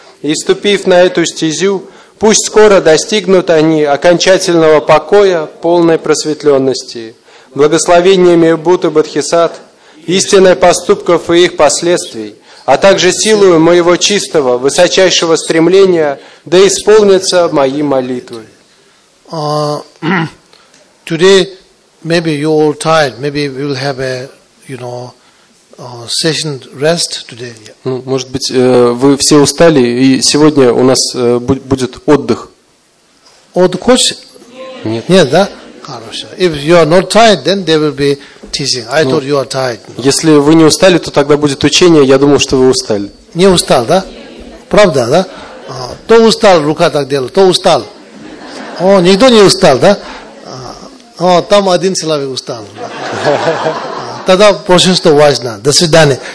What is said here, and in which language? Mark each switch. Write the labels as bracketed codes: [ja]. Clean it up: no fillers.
[ru] И ступив на эту стезю, пусть скоро достигнут они окончательного покоя, полной просветленности. Благословениями Будд и Бодхисатт, истинной поступков и их последствий, а также силою моего чистого, высочайшего стремления, да исполнятся мои молитвы. [en] Today, maybe you all tired. Maybe we will have a, you know, session rest today. [ru] Ну, может быть, вы все устали, и сегодня у нас будет отдых. Отдых хочешь? Нет. Нет, да? Хорошо. [en] If you are not tired, then there will be teaching. I thought you are tired. [ru] Если вы не устали, то тогда будет учение. Я думал, что вы устали. Не устал, да? Правда, да? То устал, рука так делала, то устал. О, никто не устал, да? О, там один человек устал. Тогда большинство важно. До свидания.